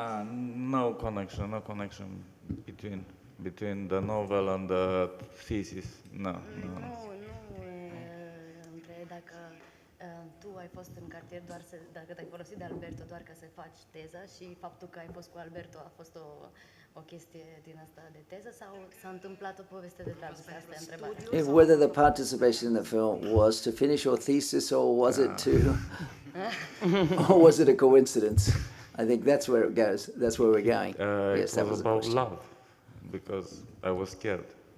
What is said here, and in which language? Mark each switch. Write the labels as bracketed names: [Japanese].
[English] No connection between the novel and the thesis. [Romanian] Andrei, dacă tu ai fost în cartier doar să, dacă te-ai folosit de Alberto doar ca să faci teza și faptul că ai fost cu Alberto a fost o chestie din asta de teză sau s-a întâmplat o poveste de dragoste, asta e întrebarea. [English] If whether the participation in the film was to finish your thesis or was it to or was it a coincidence? I think that's where it goes. That's where we're going. Yes, it was about love, because I was scared.